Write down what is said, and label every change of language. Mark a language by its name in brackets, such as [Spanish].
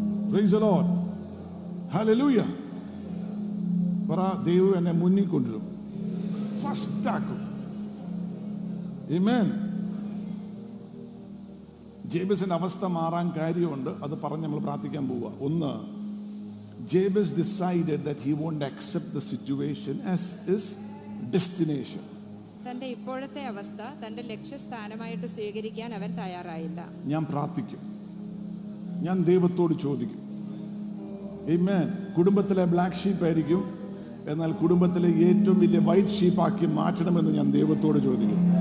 [Malayalam] Praise the Lord, hallelujah. പറ, ദൈവം എന്നെ മുന്നിൽ കൊണ്ടുവരും, ഫസ്റ്റ് ആക്കും. ആമേൻ. ജേബസിന്റെ അവസ്ഥ മാറാൻ കാര്യമുണ്ട്, അത് പറഞ്ഞ് നമ്മൾ പ്രാർത്ഥിക്കാൻ പോവുക. ഒന്ന്, [English] Jabez decided that he won't accept the situation as his destination. [Malayalam] തന്റെ ഇപ്പോഴത്തെ അവസ്ഥ തന്റെ ലക്ഷ്യസ്ഥാനമായിട്ട് സ്വീകരിക്കാൻ അവൻ തയ്യാറായില്ല. ഞാൻ പ്രാർത്ഥിക്കും, ഞാൻ ദൈവത്തോട് ചോദിക്കും. ആമേൻ. കുടുംബത്തിലെ ബ്ലാക്ക് ഷീപ്പ് ആയിരിക്കും, എന്നാൽ കുടുംബത്തിലെ ഏറ്റവും വലിയ വൈറ്റ് ഷീപ്പ് ആക്കി മാറ്റണമെന്ന് ഞാൻ ദൈവത്തോട് ചോദിക്കും.